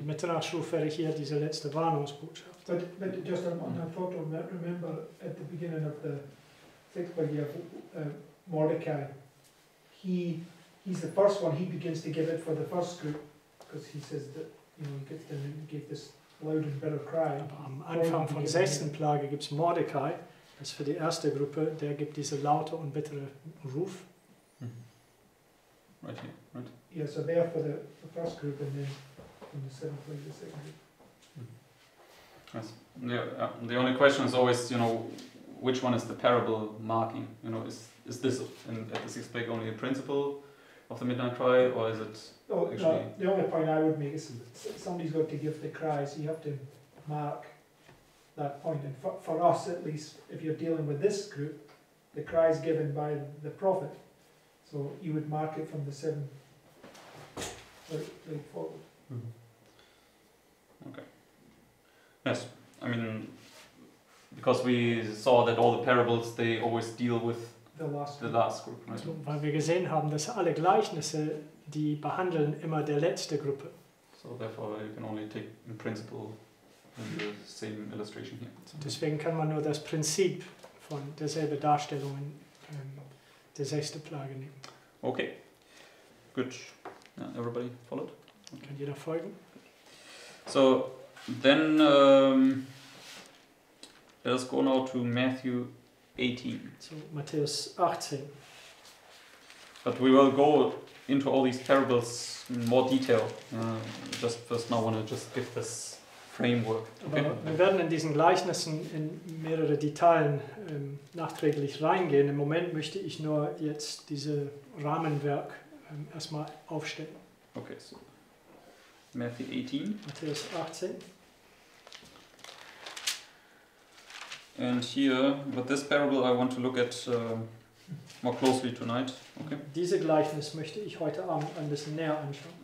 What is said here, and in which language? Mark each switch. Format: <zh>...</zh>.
<de>Mitternachtsruf wäre hier diese letzte Warnungsbotschaft.</de> <en>But just on a thought, remember at the beginning of the sixth plague, Mordecai, he he's the first one, he begins to give it for the first group, because he says that, you know, he gets them and gave this loud and bitter cry.</en> <de>Aber am Anfang von sechsten Plage gibt es Mordecai, das ist für die erste Gruppe, der gibt diese laute und bittere Ruf.</de> <en>Mm-hmm. Right here, right? Yeah, so they are for the first group and then in the seventh place, the second group. Yes. Yeah, the only question is always, you know, which one is the parable marking? You know, is this in, at the sixth plague only a principle of the midnight cry, or is it The only point I would make is somebody's got to give the cry, so you have to mark that point. And for us, at least, if you're dealing with this group, the cry is given by the prophet. So you would mark it from the seventh plague forward. Mm-hmm. Okay. Yes, I mean, because we saw that all the parables, they always deal with the last group. Right? So,</en> <de>weil wir gesehen haben, dass alle Gleichnisse, die behandeln immer der letzte Gruppe.</de> <en>So therefore you can only take in principle in the same illustration here. So.</en> <de>Deswegen kann man nur das Prinzip von derselben Darstellung in der sechste Plage nehmen.</de> <en>Okay, good. Yeah, everybody followed? Okay.</en> <de>Kann jeder folgen?</de> <en>So... Then let us go now to Matthew 18.</en> <de>So Matthäus 18.</de> <en>But we will go into all these parables in more detail. Just first now want to just give this framework. Okay.</en> <de>Aber wir werden in diesen Gleichnissen in mehrere Details nachträglich reingehen. Im Moment möchte ich nur jetzt diese Rahmenwerk erstmal aufstellen.</de> <en>Okay, so Matthew 18.</en> <de>Matthäus 18.</de> <en>And here, with this parable, I want to look at more closely tonight. Okay.</en> <de>Diese Gleichnis möchte ich heute Abend ein bisschen näher anschauen.</de>